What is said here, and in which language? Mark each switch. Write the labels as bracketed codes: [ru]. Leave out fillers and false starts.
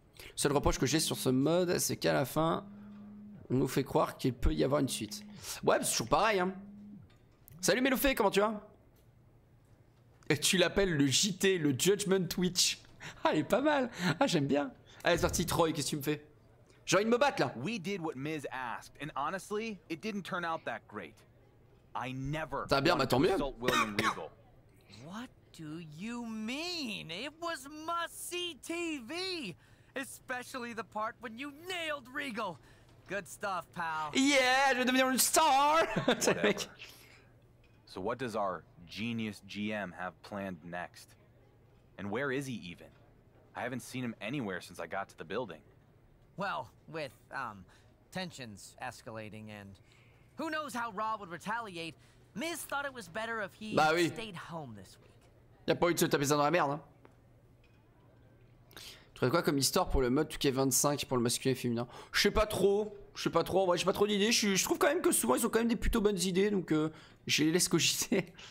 [fr] Le seul reproche que j'ai sur ce mode, c'est qu'à la fin, on nous fait croire qu'il peut y avoir une suite. Ouais, c'est toujours pareil, hein. Salut Meloufé, comment tu vas? Et tu l'appelles le JT, le Judgment Twitch. Ah, il est pas mal. Ah, j'aime bien. Allez, c'est parti, Troy, qu'est-ce que tu me fais? J'ai envie de me battre, là. [en] We did what Miz asked, and honestly, it didn't turn out that great. I never [fr] t'as bien, mais tant mieux. William Regal. [en] What do you mean? It was must-see TV. Especially the part when you nailed Regal. Good stuff, pal. [fr] Yeah, je vais devenir une star. [en] So what does our genius GM have planned next? And where is he even? I haven't seen him anywhere since I got to the building. Well, with tensions escalating and who knows how Raw would retaliate, Miz thought it was better if he [fr] bah, oui. [en] stayed home this week. [fr] Y'a pas eu de se taper ça dans la merde, hein. Tu ferais quoi comme histoire pour le mode 2K25 pour le masculin et féminin? Je sais pas trop. Je sais pas trop. Ouais, j'ai pas trop d'idées. Je trouve quand même que souvent ils ont quand même des plutôt bonnes idées, donc je les laisse cogiter.